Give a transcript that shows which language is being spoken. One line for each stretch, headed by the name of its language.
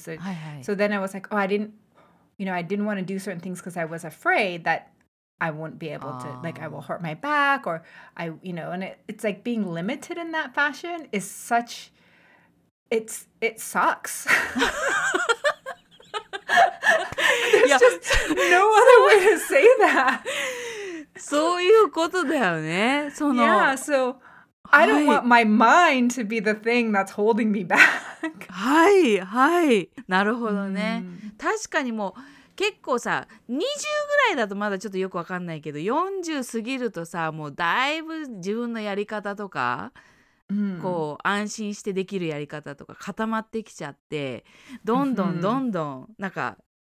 English: So, so then I was like, oh, I didn't, you know, I didn't want to do certain things because I was afraid that I won't be able to, like, I will hurt my back or I, you know, and it's like being limited in that fashion is such, it sucks. There's just no other way to say that.
Japanese: そういうことだよね。その...
English: Yeah, so I don't want my mind to be the thing that's holding me back.
Japanese: はい、はい。なるほどね。確かにもう、 結構さ、20ぐらいだとまだちょっとよくわかんないけど、40過ぎるとさ、もうだいぶ自分のやり方とか、こう安心してできるやり方とか固まってきちゃって、どんどんどんどん、なんか、